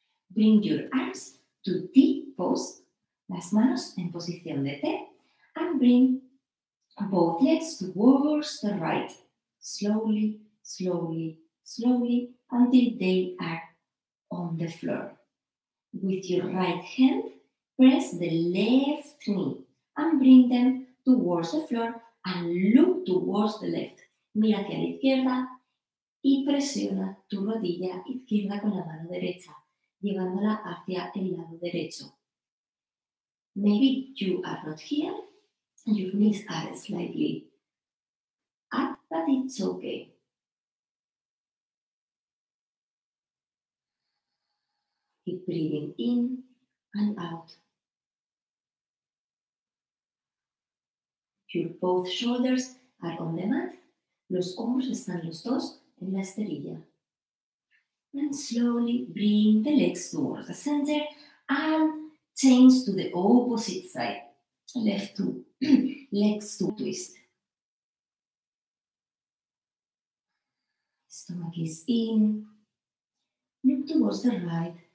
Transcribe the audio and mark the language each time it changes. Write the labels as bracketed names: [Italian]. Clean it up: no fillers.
[English] Bring your arms to T pose, [Spanish] las manos en posición de T, [English] and bring both legs towards the right, slowly, slowly, slowly, until they are on the floor. With your right hand, press the left knee and bring them towards the floor and look towards the left. [Spanish] Mira hacia la izquierda y presiona tu rodilla izquierda con la mano derecha, llevándola hacia el lado derecho. [English] Maybe you are not here, your knees are slightly up, but it's okay. Keep breathing in and out. Your both shoulders are on the mat. [Spanish] Los hombros están los dos en la esterilla. [English] And slowly bring the legs towards the center and change to the opposite side. Left to legs to twist. Stomach is in. Look towards the right.